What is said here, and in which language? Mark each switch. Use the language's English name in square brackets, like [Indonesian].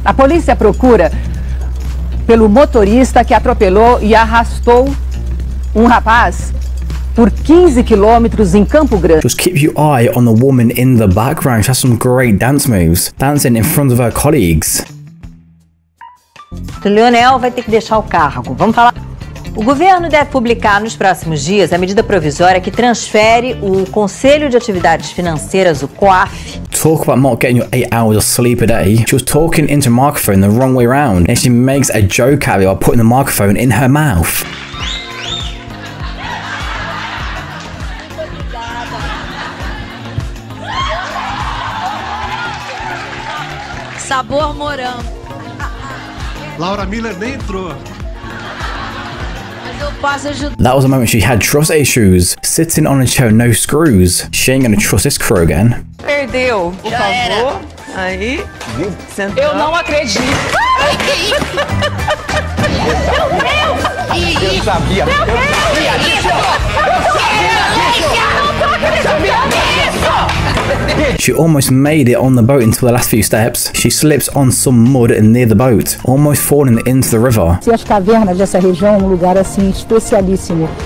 [Portuguese] A polícia procura pelo motorista que atropelou e arrastou um rapaz por 15 quilômetros em Campo Grande. [English] Just keep your eye on the woman in the background. She has some great dance moves. Dancing in front of her colleagues. [Portuguese] O Leonel vai ter que deixar o cargo. Vamos falar. O governo deve publicar nos próximos dias a medida provisória que transfere o Conselho de Atividades Financeiras, o COAF. [English] Talk about not getting your 8 hours of sleep a day. She was talking into microphone the wrong way around, and she makes a joke out of it by putting the microphone in her mouth. [Portuguese] Sabor morango. Laura Miller nem entrou. [English] That was a moment she had trust issues. Sitting on a chair with no screws. She ain't gonna trust this crew again. [Portuguese] Perdeu. Por favor. Aí. Sentou. Eu não acredito. Meu Deus! Eu sabia. Eu sabia disso. [English] She almost made it on the boat until the last few steps. She slips on some mud near the boat, almost falling into the river. [Portuguese] Se as cavernas dessa região é um lugar assim especialíssimo.